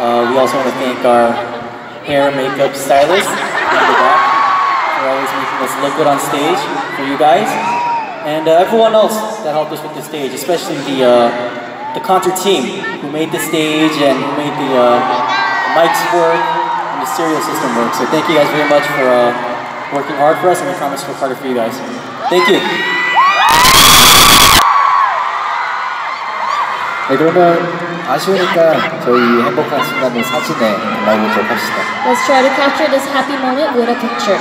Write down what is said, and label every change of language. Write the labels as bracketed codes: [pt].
[en] We also want to thank our hair and makeup stylist. Always making us look good on stage for you guys and everyone else that helped us with the stage, especially the concert team who made the stage and who made the mics work and the stereo system work. So thank you guys very much for working hard for us and we promise to work harder for you guys. Thank you. [ko] 네, 그러면 아쉬우니까 저희 행복한 순간을 사진에 남기도록 합시다. [en] Let's try to capture this happy moment with a picture.